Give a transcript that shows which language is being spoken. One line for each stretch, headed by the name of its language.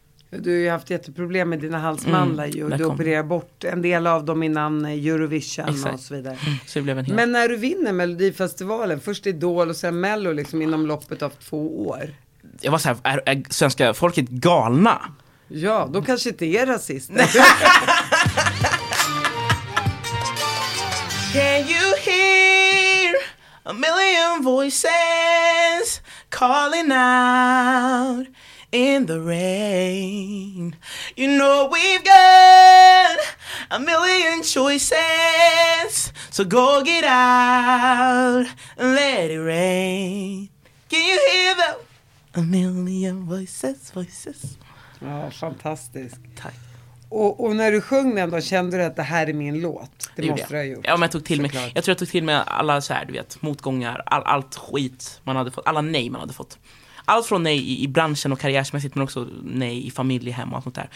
Swedish: Du har ju haft jätteproblem med dina halsmandlar. Mm, du opererade bort en del av dem innan Eurovision. Exakt. Och så vidare. Så det blev en hel... Men när du vinner Melodifestivalen, först Idol och sen Mello liksom, inom loppet av 2 år. Jag var så här, är svenska folket galna? Ja, då kanske det är rasist.
English: Can you hear a million voices calling out in the rain? You know we've got a million choices, so go get out and let it rain. Can you hear the a million voices?
Swedish: Ja, fantastisk. Tack. Och när du sjöng den då, kände du att det här är min låt? Det måste jag. Du ha gjort. Ja, men jag tog till mig. Jag tror jag tog till mig alla så här, du vet, motgångar, allt skit man hade fått, alla nej man hade fått. Allt från nej i branschen och karriärmässigt, men också nej i familj, hemma och sånt där.